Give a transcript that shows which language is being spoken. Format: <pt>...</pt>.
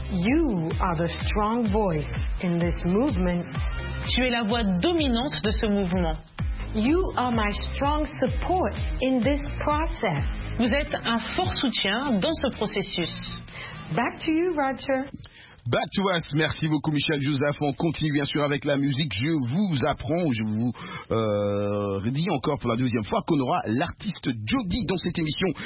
<en>You are the strong voice in this movement.</en> <fr>Tu es la voix dominante de ce mouvement.</fr> <en>You are my strong support in this process.</en> <fr>Vous êtes un fort soutien dans ce processus.</fr> <en>Back to you, Roger. Back to us,</en> <fr>merci beaucoup Michel Joseph. On continue bien sûr avec la musique. Je vous apprends, je vous redis encore pour la deuxième fois qu'on aura l'artiste Jody dans cette émission.</fr>